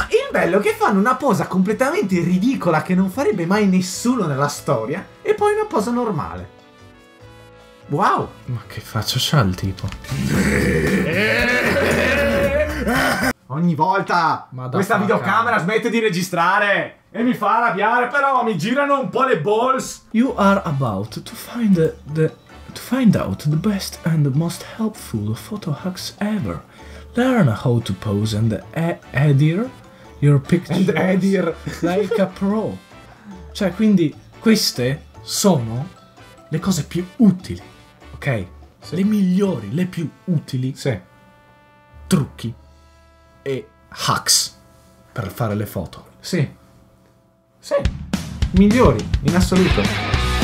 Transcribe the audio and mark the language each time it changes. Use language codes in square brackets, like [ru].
[it] Bello che fanno una posa completamente ridicola che non farebbe mai nessuno nella storia e poi una posa normale. Wow! Ma che faccia c'ha il tipo? Ogni volta questa videocamera smette di registrare e mi fa arrabbiare, però mi girano un po' le balls. [en] You are about to find out the best and the most helpful photo hacks ever. Learn how to pose and edit your picture like a pro. [it] Cioè, quindi queste sono le cose più utili, ok? Sì. Le migliori, le più utili. Sì. Trucchi e hacks per fare le foto. Sì. Migliori in assoluto.